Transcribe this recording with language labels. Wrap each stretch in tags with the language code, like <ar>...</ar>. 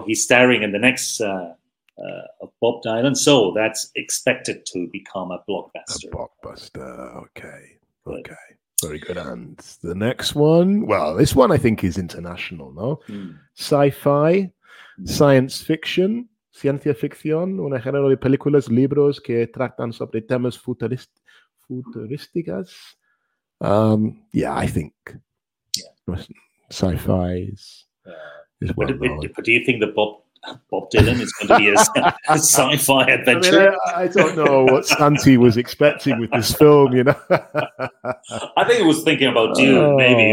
<en>He's starring in the next of Bob Dylan, so that's expected to become a blockbuster. A blockbuster, okay. Good. Okay, very good. And the next one, well, this one I think is international, no? Mm. Sci-fi, science fiction,</en> <es>ciencia ficción, un género de películas, libros que tratan sobre temas futurísticas.</es> <en>Yeah, I think sci-fi is well known. But do you think the Bob Dylan is going to be a sci-fi adventure? I mean, I don't know what Santi was expecting with this film, you know. I think he was thinking about Dune, maybe.</en>